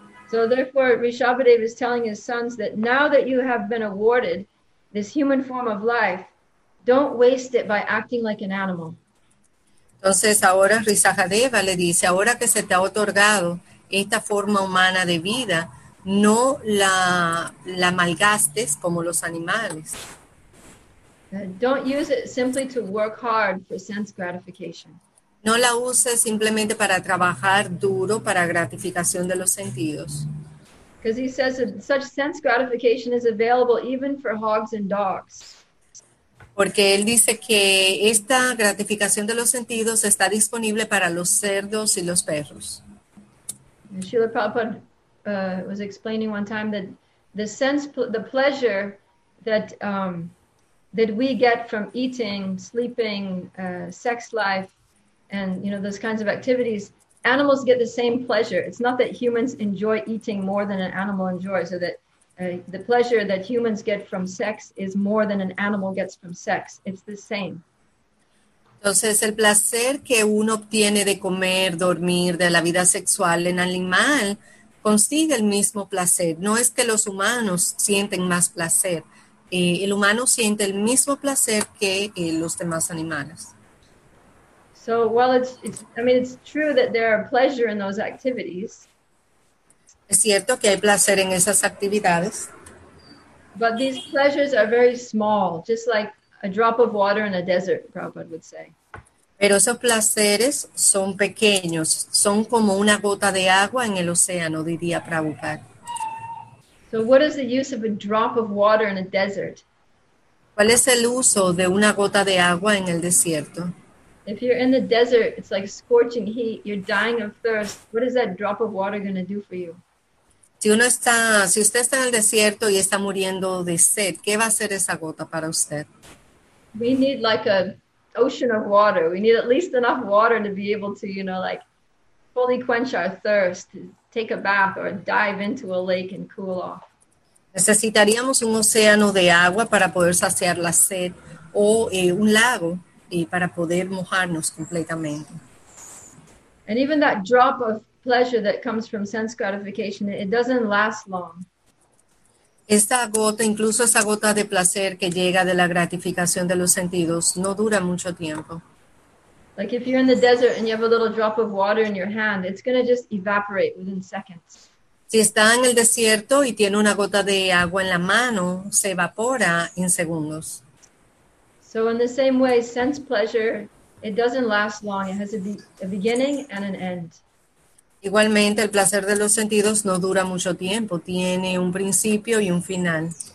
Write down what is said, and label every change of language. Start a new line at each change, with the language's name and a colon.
English: So therefore, Rishabhadeva is telling his sons that now that you have been awarded this human form of life, don't waste it by acting like an animal.
Spanish: Entonces ahora Rishabhadeva le dice, ahora que se te ha otorgado esta forma humana de vida, no la malgastes como los animales.
English: Don't use it simply to work hard for sense gratification.
Spanish: No la uses simplemente para trabajar duro para gratificación de los sentidos.
English: Because he says that such sense gratification is available even for hogs and dogs.
Spanish: Porque él dice que esta gratificación de los sentidos está disponible para los cerdos y los perros.
English: Srila Prabhupada was explaining one time that the sense, the pleasure that that we get from eating, sleeping, sex life, and, you know, those kinds of activities, animals get the same pleasure. It's not that humans enjoy eating more than an animal enjoys, or that the pleasure that humans get from sex is more than an animal gets from sex. It's the same.
Spanish: Entonces, el placer que uno obtiene de comer, dormir, de la vida sexual en animal, consigue el mismo placer. No es que los humanos sienten más placer. El humano siente el mismo placer que los demás animales.
English: So, well, it's true that there are pleasure in those activities.
Spanish: Es cierto que hay placer en esas actividades.
English: But these pleasures are very small, just like a drop of water in a desert, Prabhupada would say.
Spanish: Pero esos placeres son pequeños, son como una gota de agua en el océano, diría Prabhupada.
English: So, what is the use of a drop of water in a desert?
Spanish: ¿Cuál es el uso de una gota de agua en el desierto?
English: If you're in the desert, it's like scorching heat, you're dying of thirst. What is that drop of water going to do for you?
Spanish: Si usted está en el desierto y está muriendo de sed, ¿qué va a hacer esa gota para usted?
English: We need like an ocean of water. We need at least enough water to be able to, like fully quench our thirst, to take a bath or dive into a lake and cool off.
Spanish: Necesitaríamos un océano de agua para poder saciar la sed o un lago para poder mojarnos completamente.
English: And even that drop of pleasure that comes from sense gratification, it doesn't last long.
Spanish: Esta gota, incluso esa gota de placer que llega de la gratificación de los sentidos, no dura mucho tiempo.
English: Like if you're in the desert and you have a little drop of water in your hand, it's going to just evaporate within seconds.
Spanish: Si está en el desierto y tiene una gota de agua en la mano, se evapora en segundos.
English: So in the same way, sense pleasure, it doesn't last long. It has a beginning and an end.
Spanish: Igualmente, el placer de los sentidos no dura mucho tiempo, tiene un principio y un final.